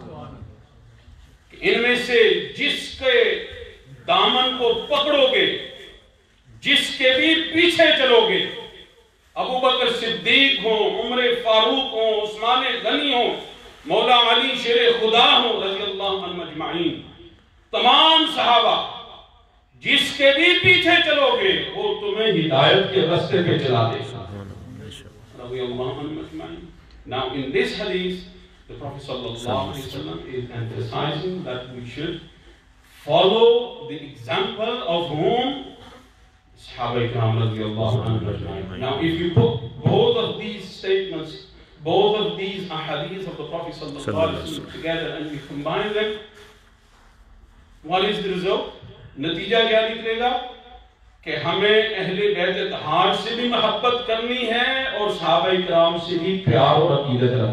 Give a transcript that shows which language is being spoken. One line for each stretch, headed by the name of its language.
Urdu: ان میں سے جس کے دامن کو پکڑو گے، جس کے بھی پیچھے چلو گے، ابو بکر صدیق ہوں، عمر فاروق ہوں، عثمان غنی ہوں، مولا علی شیر خدا ہوں
Arabic: رضی اللہ عنہ اجمعین،
Urdu: تمام صحابہ، جس کے بھی پیچھے چلو گے وہ تمہیں ہدایت کے رستے پہ چلا دے گا
Arabic: رضی اللہ عنہ اجمعین۔
English: Now in this حدیث the Prophet
Arabic: sallallahu alaihi wasallam
English: is emphasizing that we should follow the example of whom?
Urdu: Sahaba ikram
Arabic: radiyallahu anhum ajma'in.
English: Now if you put both of these statements, both of these ahadith of the Prophet
Arabic: sallallahu alaihi wasallam
English: together and we combine them, What is the result?
Urdu: نتیجہ کیا نکلے گا کہ ہمیں اہل بیت اطہار سے بھی محبت کرنی ہے اور صحابہ اکرام سے بھی پیار اور عقیدت رکھنا.